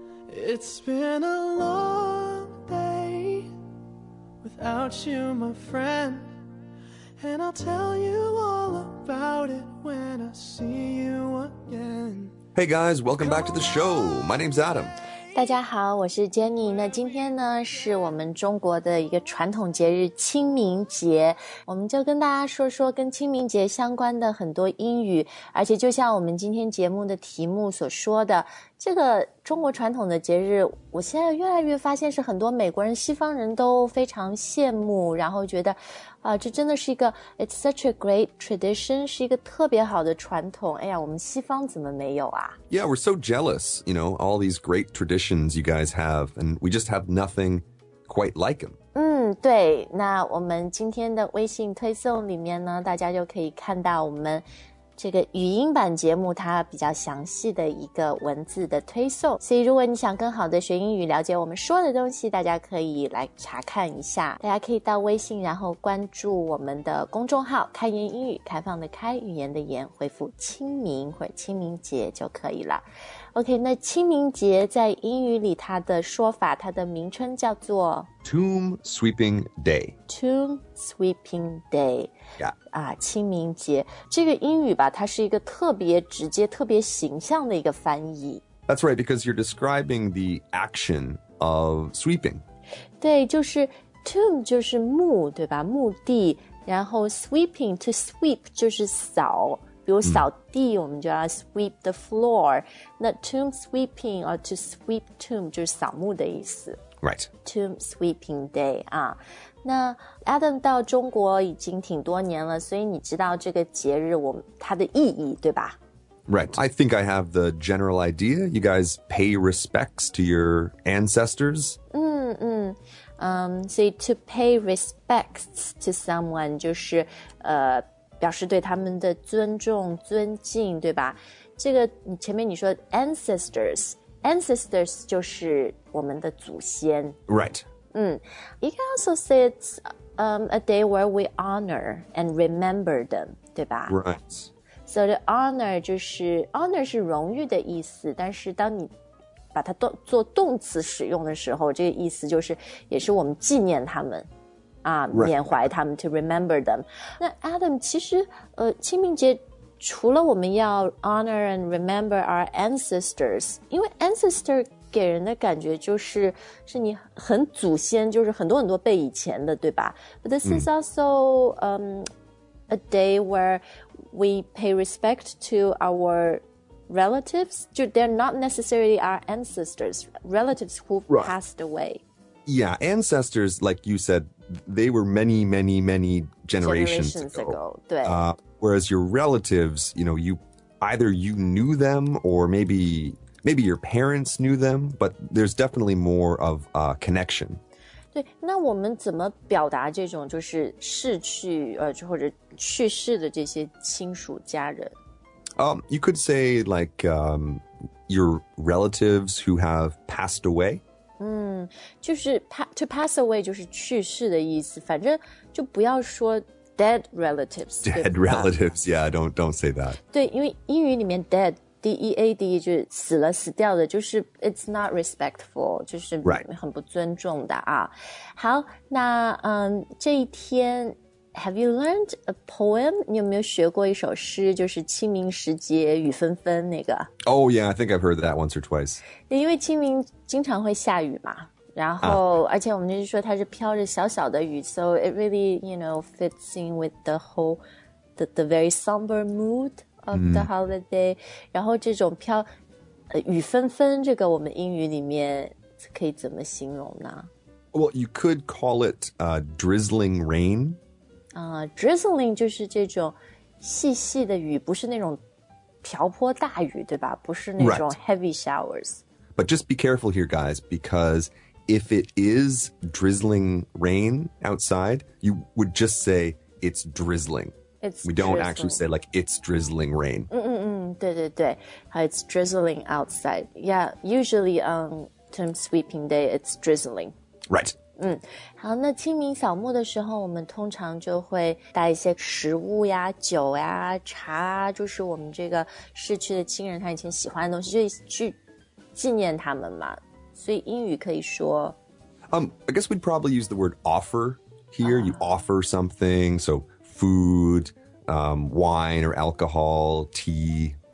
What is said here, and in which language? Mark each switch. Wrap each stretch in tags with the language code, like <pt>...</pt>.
<en>It's been a long day without you, my friend. And I'll tell you all about it when I see you again. Hey guys, welcome back to the show. My name's Adam.</en> <zh>大家好，我是 Jenny。那今天呢，是我们中国的一个传统节日清明节。我们就跟大家说说跟清明节相关的很多英语，而且就像我们今天节目的题目所说的，这个中国传统的节日，我现在越来越发现是很多美国人西方人都非常羡慕，然后觉得这真的是一个</zh> <en>It's such a great tradition,</en> <zh>是一个特别好的传统。哎呀，我们西方怎么没有啊？</zh> <en>Yeah, we're so jealous, you know, all these great traditions you guys have, and we just have nothing quite like them.</en> <zh>对，那我们今天的微信推送里面呢，大家就可以看到我们这个语音版节目它比较详细的一个文字的推送，所以如果你想更好的学英语，了解我们说的东西，大家可以来查看一下。大家可以到微信然后关注我们的公众号开言英语，开放的开，语言的言，回复清明或清明节就可以了。 OK, 那清明节在英语里它的说法，它的名称叫做</zh> <en>Tomb Sweeping Day. Tomb Sweeping Day. Yeah.</en> <zh>清明节这个英语吧，它是一个特别直接特别形象的一个翻译。</zh> <en>That's right, because you're describing the action of sweeping.</en> <zh>对，就是 tomb 就是墓，对吧，墓地，然后 sweeping, to sweep 就是扫，比如扫地、我们就要</zh> <en>sweep the floor.</en> <zh>那</zh> <en>tomb sweeping or to sweep tomb</en> <zh>就是扫墓的意思。</zh> <en>Right. Tomb sweeping day.</en> <zh>啊，那 Adam 到中国已经挺多年了，所以你知道这个节日它的意义，对吧？</zh> <en>Right. I think I have the general idea. You guys pay respects to your ancestors.</en> <zh>所以</zh> <en>to pay respects to someone</en> <zh>就是表示对他们的尊重、尊敬，对吧？这个你前面你说 ancestors 就是我们的祖先。</zh> <en>Right. You can also say it's a day where we honor and remember them,</en> <zh>对吧？</zh> <en>Right.</en> <zh>So the honor 就是 honor 是荣誉的意思，但是当你把它做动词使用的时候，这个意思就是也是我们纪念他们啊、</zh> <en>right.</en> <zh>缅怀他们</zh> <en>to remember them.</en> <zh>那 Adam, 其实清明节除了我们要</zh> <en>honor and remember our ancestors,</en> <zh>因为 ancestor给人的感觉就是你很祖先，就是很多很多辈以前的，对吧？</zh> <en>But this is also a day where we pay respect to our relatives. They're not necessarily our ancestors, relatives who passed away. Yeah, ancestors, like you said, they were many, many, many generations ago. Whereas your relatives, you know, you knew them or maybe your parents knew them, but there's definitely more of a connection.</en> <zh>对，那我们怎么表达这种就是逝去或者去世的这些亲属家人？</zh> <en>You could say like your relatives who have passed away.</en> <zh>就是 to pass away 就是去世的意思，反正就不要说dead relatives.</zh> <en>Dead relatives, yeah, don't say that.</en> <zh>对，因为英语里面 dead,D-E-A-D 就是死了死掉的，就是</zh> <en>it's not respectful,</en> <zh>就是很不尊重的啊。好，那这一天</zh> <en>have you learned a poem?</en> <zh>你有没有学过一首诗，就是清明时节雨纷纷那个？</zh> <en>Oh yeah, I think I've heard that once or twice.</en> <zh>因为清明经常会下雨嘛，然后而且我们就是说它是飘着小小的雨，</zh> <en>so it really, you know, fits in with the whole, the very somber mood. Of the holiday,</en> <zh>然后这种飘雨纷纷，这个我们英语里面可以怎么形容呢？</zh> <en>Well, you could call it drizzling rain.</en> <zh>Drizzling 就是这种细细的雨，不是那种瓢泼大雨，对吧？不是那种</zh> <en>heavy showers. But just be careful here, guys, because if it is drizzling rain outside, you would just say it's drizzling. We don't actually say, like, it's drizzling rain.</en> <zh>对对对</zh> <en>It's drizzling outside. Yeah, usually on term sweeping day, it's drizzling. Right.</en> <zh>好，那清明扫墓的时候，我们通常就会带一些食物呀、酒呀、茶，就是我们这个逝去的亲人他以前喜欢的东西，就去纪念他们嘛。所以英语可以说</zh> <en>I guess we'd probably use the word offer here. You offer something, so food, wine or alcohol, tea.</en>